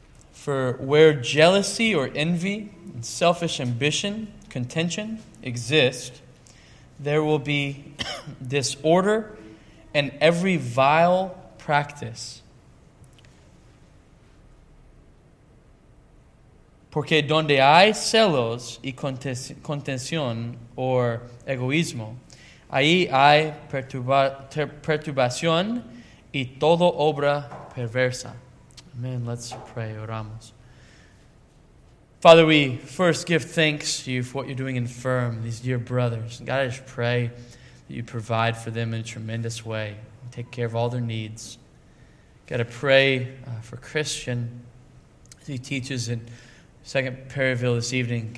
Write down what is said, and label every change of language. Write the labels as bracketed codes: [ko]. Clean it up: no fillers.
[en] For where jealousy or envy and selfish ambition, contention exist, there will be disorder and every vile practice. [es] Porque donde hay celos y contención or egoísmo, ahí hay perturbación y todo obra perversa. [en] Amen. Let's pray. [es] Oramos. [en] Father, we first give thanks to you for what you're doing in Firm, these dear brothers. God, I just pray that you provide for them in a tremendous way. Take care of all their needs. God, I pray for Christian, as he teaches in Second Perryville this evening.